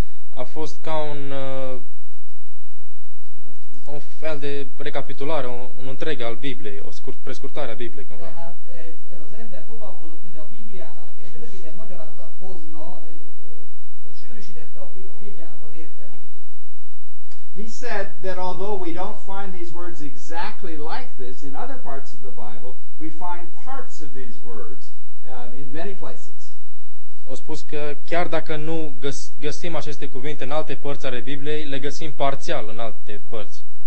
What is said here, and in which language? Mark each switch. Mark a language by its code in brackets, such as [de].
[ro] A fost ca un un fel de recapitulare, un întreg al Bibliei, o scurt prescurtare a Bibliei cumva. [hu] Tehát ez ember foglalkozott, mint a Bibliának egy rövid magyarázatot hozna, sűrűsítette a Bibliának az értelmét. [en] He said that although we don't find these words exactly like this in other parts of the Bible, we find parts of these words in many places. [ro] O spus că chiar dacă nu găsim aceste cuvinte în alte părți ale Bibliei, le găsim parțial în alte părți.